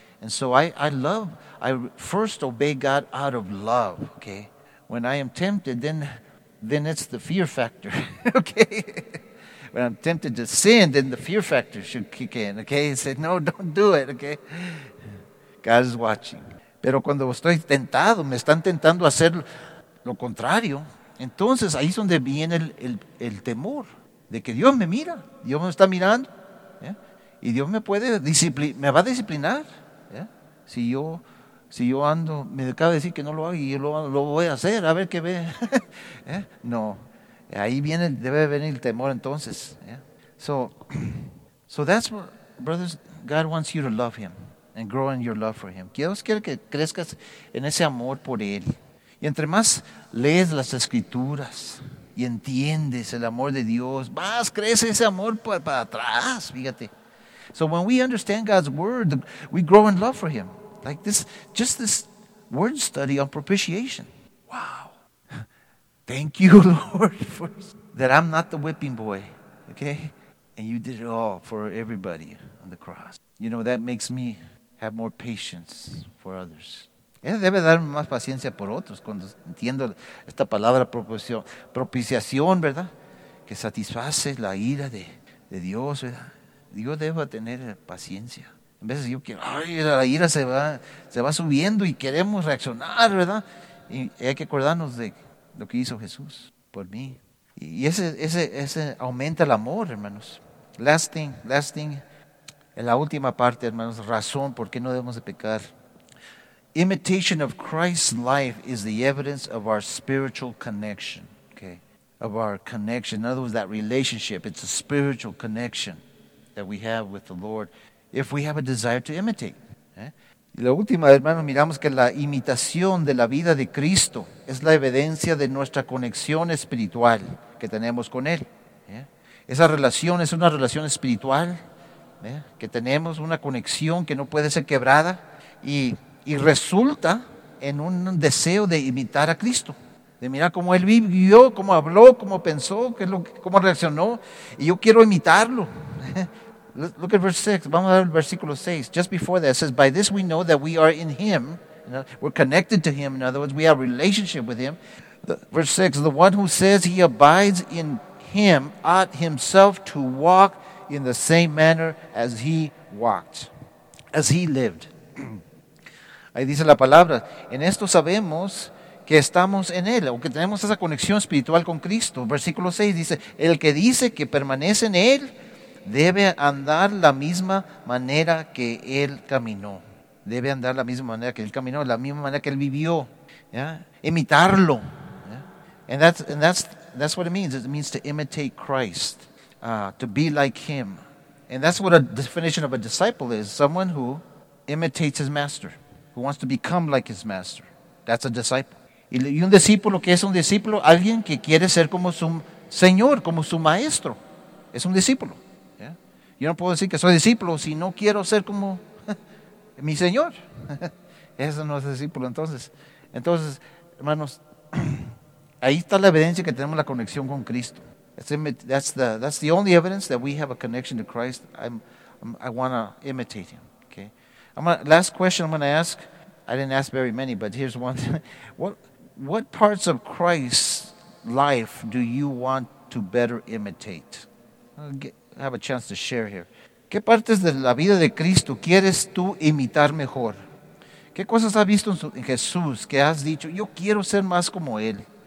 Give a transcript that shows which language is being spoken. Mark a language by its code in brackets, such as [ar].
[en] And so I first obey God out of love, okay? When I am tempted, then it's the fear factor, okay? When I'm tempted to sin, then the fear factor should kick in, okay? And say, no, don't do it, okay? God is watching. [es] Pero cuando estoy tentado, me están tentando a hacer lo contrario, entonces ahí es donde viene el temor. De que Dios me mira, Dios me está mirando, ¿eh? Y Dios me puede disciplinar, me va a disciplinar, ¿ya? Si yo ando, me acaba de decir que no lo hago y yo lo voy a hacer, a ver qué ve. No, ahí viene, debe venir el temor entonces. ¿Ya? [en] So that's what, brothers, God wants you to love Him and grow in your love for Him. [es] Dios quiere que crezcas en ese amor por Él. Y entre más lees las Escrituras y entiendes el amor de Dios, más crece ese amor para atrás, fíjate. [en] So when we understand God's word, we grow in love for Him. Like this, just this word study on propitiation. Wow. Thank you, Lord, for that I'm not the whipping boy, okay? And you did it all for everybody on the cross. You know, that makes me have more patience for others. [es] Debe dar más paciencia por otros cuando entiendo esta palabra propiciación, ¿verdad? Que satisface la ira de Dios, ¿verdad? Dios debe tener paciencia. A veces yo quiero, ay, la ira se va subiendo y queremos reaccionar, ¿verdad? Y hay que acordarnos de lo que hizo Jesús por mí. Y ese aumenta el amor, hermanos. [en] Last thing, [es] en la última parte, hermanos, razón por qué no debemos de pecar. [en] Imitation of Christ's life is the evidence of our spiritual connection. Okay, of our connection. In other words, that relationship, it's a spiritual connection that we have with the Lord, if we have a desire to imitate. [es] Y la última, hermanos, miramos que la imitación de la vida de Cristo es la evidencia de nuestra conexión espiritual que tenemos con Él. Esa relación es una relación espiritual que tenemos, una conexión que no puede ser quebrada y resulta en un deseo de imitar a Cristo. De mirar cómo Él vivió, cómo habló, cómo pensó, cómo reaccionó. Y yo quiero imitarlo. [en] Look at verse 6. [es] Vamos a ver el versículo 6. [en] Just before that, it says, by this we know that we are in Him. We're connected to Him. In other words, we have a relationship with Him. Verse 6, the one who says he abides in Him ought himself to walk in the same manner as He walked, as He lived. [es] Ahí dice la palabra. En esto sabemos que estamos en Él, o que tenemos esa conexión espiritual con Cristo. Versículo 6 dice, el que dice que permanece en Él debe andar la misma manera que Él caminó. Debe andar la misma manera que Él caminó, la misma manera que Él vivió. ¿Ya? Imitarlo. ¿Ya? [en] And that's what it means. It means to imitate Christ, to be like Him. And that's what a definition of a disciple is. Someone who imitates his master, who wants to become like his master. That's a disciple. [es] Y un discípulo, ¿qué es un discípulo? Alguien que quiere ser como su Señor, como su maestro. Es un discípulo. [en] ¿Yeah? [es] Yo no puedo decir que soy discípulo si no quiero ser como mi Señor. Eso no es discípulo. Entonces, hermanos, ahí está la evidencia que tenemos la conexión con Cristo. [en] That's the only evidence that we have a connection to Christ. I want to imitate Him. Okay? Last question I'm going to ask. I didn't ask very many, but here's one. What parts of Christ's life do you want to better imitate? Have a chance to share here. [es] ¿Qué partes de la vida de Cristo quieres tú imitar mejor? ¿Qué cosas has visto en Jesús que has dicho, yo quiero ser más como Él?